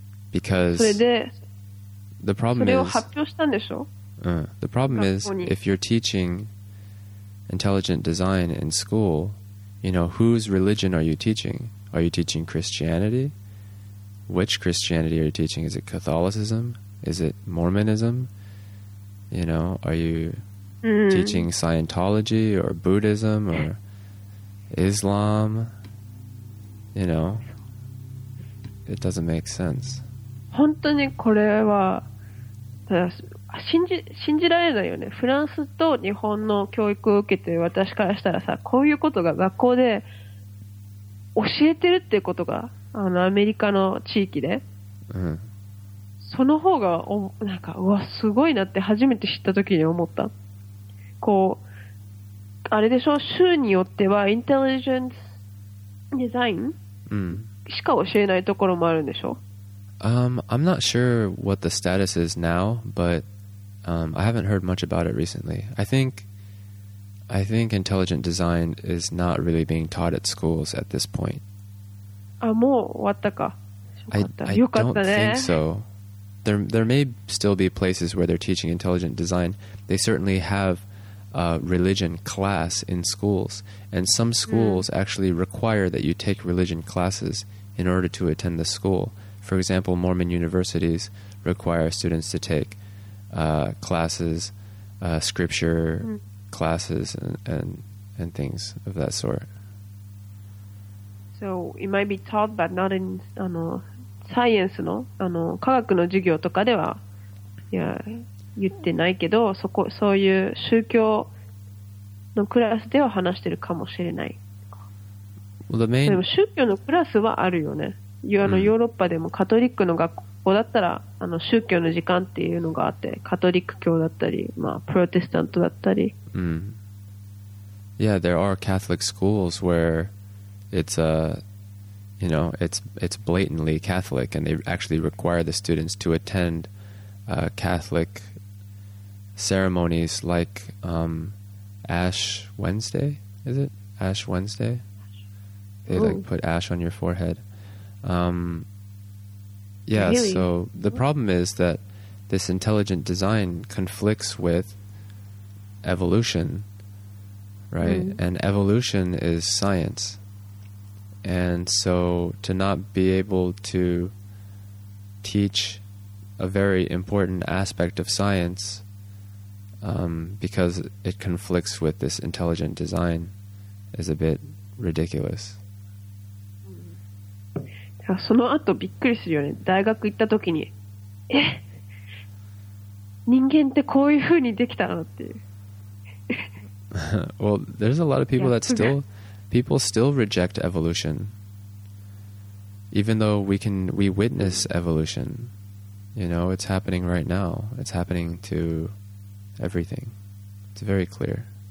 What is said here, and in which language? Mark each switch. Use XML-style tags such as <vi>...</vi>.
<en>Because the problem is... The problem is, if you're teaching intelligent design in school...You know, whose religion are you teaching? Are you teaching Christianity? which Christianity are you teaching? Is it Catholicism? Is it Mormonism? You know, are you teaching Scientology or Buddhism or Islam? You know, it doesn't make sense.</en> <ja>本当にこれは信じられないよね。フランスと日本の教育を受けて私からしたらさ、こういうことが学校で教えてるっていうことが、あのアメリカの地域で、その方がなんかうわすごいなって初めて知った時に思った。こうあれでしょ、州によってはインテリジェンスデザインしか教えないところもあるんでしょ。</ja> <en>I'm not sure what the status is now, but I haven't heard much about it recently. I think intelligent design is not really being taught at schools at this point. I don't think so. There may still be places where they're teaching intelligent design. They certainly have a religion class in schools, and some schools actually require that you take religion classes in order to attend the school. For example, Mormon universities require students to take classes, scripture classes, and things of that sort. So it might be taught, but not in science, no?</en> <ja>科学の授業とかでは、いや、言ってないけど、そこ、そういう宗教のクラスでは話してるかもしれない。</ja> <en>Well, the main...</en> <ja>でも宗教のクラスはあるよね。ヨーロッパでもカトリックの学校だったら、宗教の時間っていうのがあって、カトリック教だったり、まあ、プロテスタントだったり、</ja> <en>Yeah, there are Catholic schools where it's you know, it's blatantly Catholic, and they actually require the students to attend Catholic ceremonies like Ash Wednesday, is it? Ash Wednesday? They like put ash on your foreheadyeah, really? So the problem is that this intelligent design conflicts with evolution, right? And evolution is science. And so to not be able to teach a very important aspect of science because it conflicts with this intelligent design is a bit ridiculous.</en> <ja>その後びっくりするよね。大学行った時に、え、人間ってこういう風にできたのっていう。</ja> <en>Well, there's a lot of people that still people still reject evolution, even though we witness evolution. You know, it's happening right now. It's happening to everything. It's very clear.</en>